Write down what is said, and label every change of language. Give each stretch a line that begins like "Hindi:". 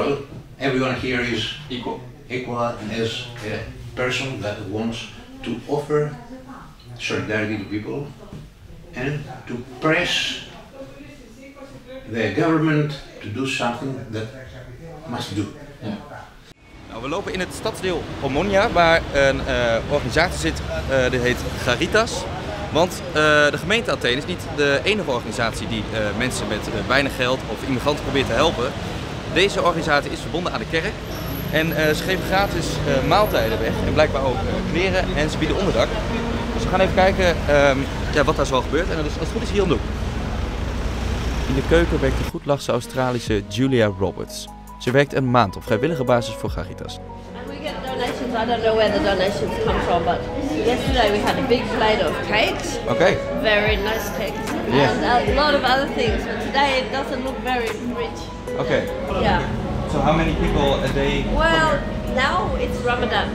English: Well, everyone here is equal and as a person that wants to offer solidarity to people and to press the government to do something that must do.
Dutch: We lopen in het stadsdeel Omonia, waar een organisatie zit, die heet Garitas. Want de gemeente Athene is niet de enige organisatie die mensen met weinig geld of immigranten probeert te helpen. Deze organisatie is verbonden aan de kerk en ze geven gratis maaltijden weg en blijkbaar ook kleren en ze bieden onderdak. Dus we gaan even kijken wat daar zoal gebeurt en dat is als het goed is hier om de hoek. In de keuken werkt de goedlachse Australische Julia Roberts. Ze werkt een maand op vrijwillige basis voor Garitas.
English: And we get donations. I don't know where the donations come from, but yesterday we had a big plate of cakes. Okay. Very nice cakes. Yeah. And a lot of other things. But today it doesn't look very rich. Okay. Yeah. So how many people a day? Well, now it's Ramadan.